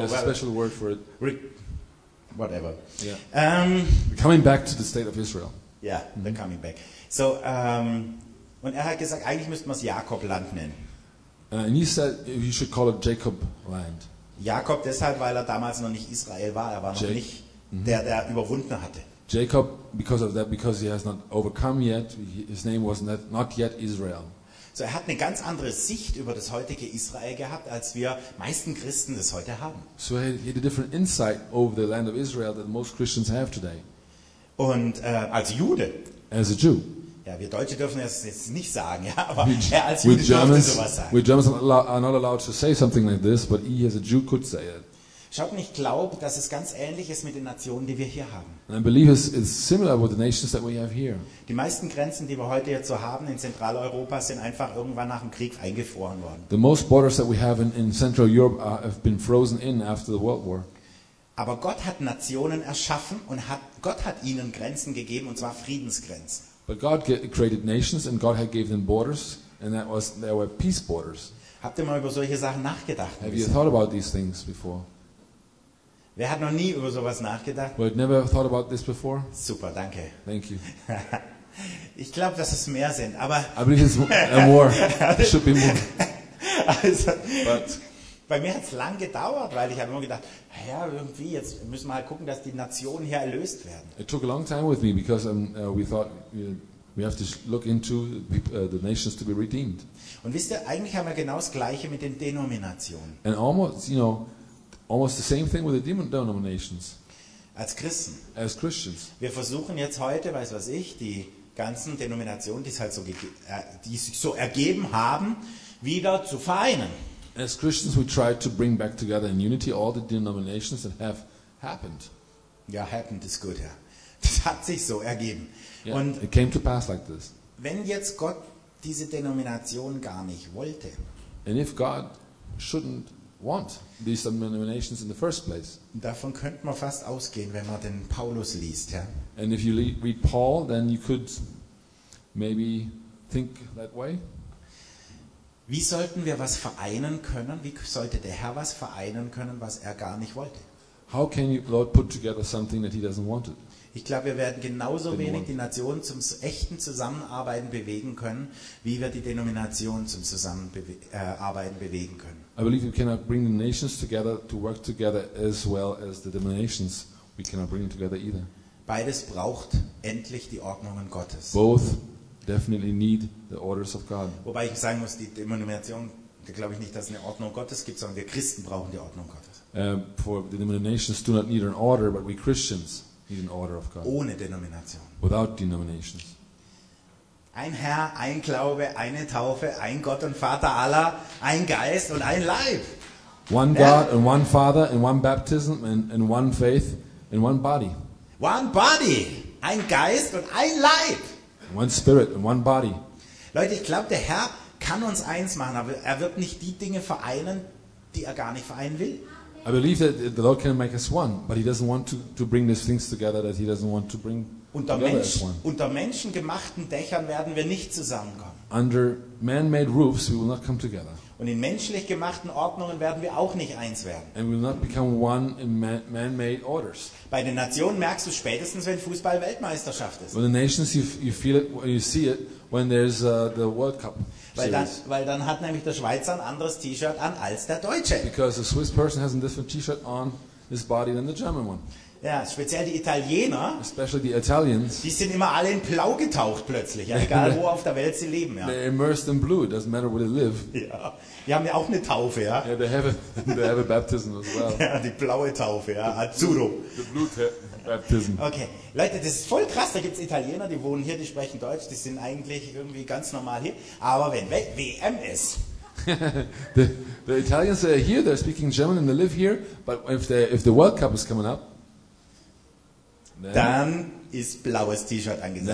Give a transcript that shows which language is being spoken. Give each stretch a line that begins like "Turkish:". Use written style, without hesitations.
English: There's a special word for it. Whatever. Yeah. Coming back to the state of Israel. Yeah, they're coming back.
German: So, und er hat gesagt, eigentlich müsste man es Jakobland nennen.
English: And he said you should call it Jacob Land.
German: Jakob deshalb, weil er damals noch nicht Israel war. Er war noch nicht der, der überwunden hatte.
English: Jacob, because of that, because he has not overcome yet, his name was not yet Israel.
German: So er hat eine ganz andere Sicht über das heutige Israel gehabt, als wir meisten Christen das heute haben.
English: So he had a different insight over the land of Israel than most Christians have today.
German: Und als Jude.
English: As a Jew.
German: Ja, wir Deutsche dürfen es jetzt nicht sagen, ja, aber er als Jude dürfte sowas sagen.
English: We Germans are not allowed to say something like this, but he as a Jew could say it.
German: Schaut, ich glaube, dass es ganz ähnlich ist mit den Nationen, die wir hier haben.
English: And I believe it's similar with the nations that we have here.
German: Die meisten Grenzen, die wir heute jetzt so haben in Zentraleuropa, sind einfach irgendwann nach dem Krieg eingefroren worden.
English: The most borders that we have in Central Europe have been frozen in after the World War.
German: Aber Gott hat Nationen erschaffen und Gott hat ihnen Grenzen gegeben, und zwar Friedensgrenzen.
English: But God created nations and God had given them borders, and that was there were peace borders.
German: Habt ihr mal über solche Sachen nachgedacht?
English: Have you thought about these things before?
German: Wer hat noch nie über sowas nachgedacht?
English: Who had never thought about this before?
German: Super, danke.
English: Thank you.
German: Ich glaube, dass es mehr sind, aber
English: I believe it's more. It should be more. Also,
German: but bei mir hat es lang gedauert, weil ich habe immer gedacht, ja, irgendwie jetzt müssen wir halt gucken, dass die Nationen hier erlöst werden.
English: It took a long time with me because we thought we have to look into the nations to be redeemed.
German: Und wisst ihr, eigentlich haben wir genau das Gleiche mit den Denominationen.
English: And almost the same thing with the denominations.
German: Als Christen.
English: As Christians.
German: Wir versuchen jetzt heute, weiß was ich, die ganzen Denominationen, die es halt so die sich so ergeben haben, wieder zu vereinen.
English: As Christians, we try to bring back together in unity all the denominations that have happened. Yeah, happened is good.
German: Yeah, das hat sich so ergeben.
English: Yeah, und it came to pass like this.
German: Wenn jetzt Gott diese Denomination gar nicht wollte,
English: and if God shouldn't want these denominations in the first place,
German: davon könnte man fast ausgehen, wenn man den Paulus liest, ja.
English: And if you read Paul, then you could maybe think that way.
German: Wie sollten wir was vereinen können? Wie sollte der Herr was vereinen können, was er gar nicht wollte?
English: How can you Lord put together something that he doesn't want it?
German: Ich glaube, wir werden genauso wenig die Nationen zum echten Zusammenarbeiten bewegen können, wie wir die Denominationen zum Zusammenarbeiten bewegen können.
English: I believe we cannot bring the nations together to work together as well as the denominations. We cannot bring them together either.
German: Beides braucht endlich die Ordnungen Gottes.
English: Both definitely need the orders of God.
German: Wobei ich sagen muss, die Denomination, da glaube ich nicht, dass es eine Ordnung Gottes gibt, sondern wir Christen brauchen die Ordnung Gottes.
English: For the denominations do not need an order, but we Christians need an order of God.
German: Ohne Denomination.
English: Without denominations.
German: Ein Herr, ein Glaube, eine Taufe, ein Gott und Vater aller, ein Geist und ein Leib.
English: One God and one Father and one baptism and one faith and one body. One body,
German: ein Geist und ein Leib.
English: One spirit and one body.
German: Leute, ich glaube, der Herr kann uns eins machen, aber er wird nicht die Dinge vereinen, die er gar nicht vereinen will.
English: I believe that the Lord can make us one, but he doesn't want to bring these things together that he doesn't want to bring unter together as one.
German: Unter menschengemachten Dächern werden wir nicht zusammenkommen.
English: Under man-made roofs we will not come together.
German: Und in menschlich gemachten Ordnungen werden wir auch nicht eins werden.
English: And we will not become one in man-made orders.
German: Bei den Nationen merkst du spätestens, wenn Fußball-Weltmeisterschaft ist.
English: When the nations, you feel it, you see it when there's the World Cup.
German: Weil dann hat nämlich der Schweizer ein anderes T-Shirt an als der Deutsche.
English: Because a Swiss person has a different T-shirt on his body than the German one.
German: Ja, speziell die Italiener.
English: Especially the Italians.
German: Die sind immer alle in Blau getaucht plötzlich, egal wo auf der Welt sie leben. Ja.
English: They're immersed in blue. It doesn't matter where they live.
German: Ja, die haben ja auch eine Taufe, ja.
English: Yeah, they have a baptism as well.
German: Ja, die blaue Taufe, ja. Azzurro.
English: The blue baptism.
German: Okay, Leute, das ist voll krass. Da gibt es Italiener, die wohnen hier, die sprechen Deutsch, die sind eigentlich irgendwie ganz normal hier. Aber wenn WM ist.
English: the Italians are here. They're speaking German and they live here. But if the World Cup is coming up.
German: Dann ist blaues T-Shirt angesagt.